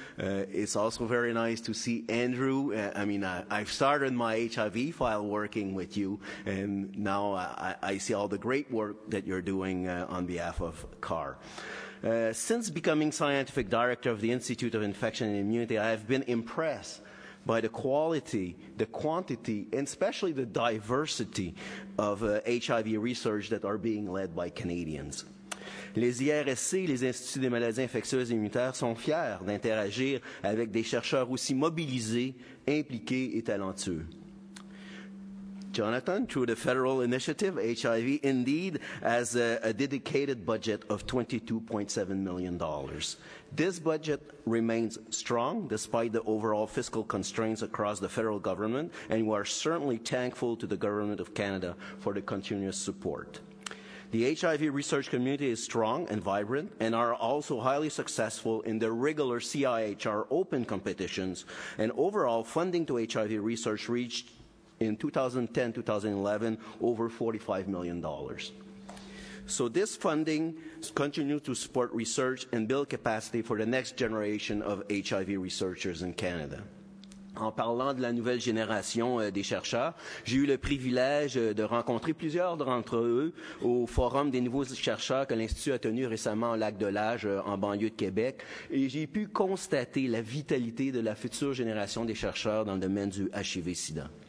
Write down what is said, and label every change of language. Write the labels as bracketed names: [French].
[English] It's also very nice to see Andrew. I've started my HIV file working with you, and now I see all the great work that you're doing on behalf of CAHR. Since becoming scientific director of the Institute of Infection and Immunity, I have been impressed by the quality, the quantity, and especially the diversity of HIV research that are being led by Canadians. [French] Les IRSC, les Instituts des maladies infectieuses et immunitaires, sont fiers d'interagir avec des chercheurs aussi mobilisés, impliqués et talentueux. [English] Jonathan, through the federal initiative, HIV indeed has a dedicated budget of $22.7 million. This budget remains strong despite the overall fiscal constraints across the federal government, and we are certainly thankful to the Government of Canada for the continuous support. The HIV research community is strong and vibrant and are also highly successful in their regular CIHR open competitions, and overall funding to HIV research reached in 2010-2011, over $45 million. So this funding continues to support research and build capacity for the next generation of HIV researchers in Canada. [French] En parlant de la nouvelle génération des chercheurs, j'ai eu le privilège de rencontrer plusieurs d'entre eux au Forum des nouveaux chercheurs que l'Institut a tenu récemment au Lac de l'Âge, en banlieue de Québec, et j'ai pu constater la vitalité de la future génération des chercheurs dans le domaine du HIV-SIDA.